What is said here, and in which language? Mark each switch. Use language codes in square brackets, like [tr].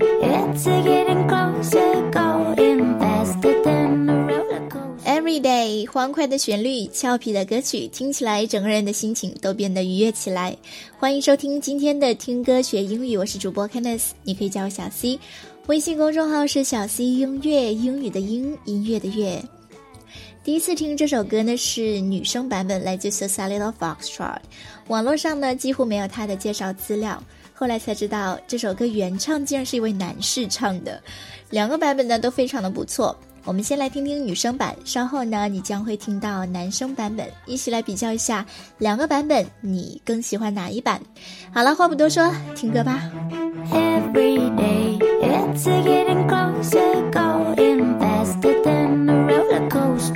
[en] It's a getting closer, going faster than a roller coaster. Every day, [zh] 欢快的旋律，俏皮的歌曲，听起来整个人的心情都变得愉悦起来。欢迎收听今天的听歌学英语，我是主播 Kenneth， 你可以叫我小 C。微信公众号是小 C 音乐，英语的英，音乐的乐。第一次听这首歌呢，是女生版本，来自 Cecilia Foxtrot。网络上呢几乎没有她的介绍资料，后来才知道这首歌原唱竟然是一位男士唱的。两个版本呢都非常的不错，我们先来听听女生版，稍后呢你将会听到男生版本，一起来比较一下两个版本，你更喜欢哪一版。好了，话不多说，听歌吧。 [en] Every day it's getting closer, going faster than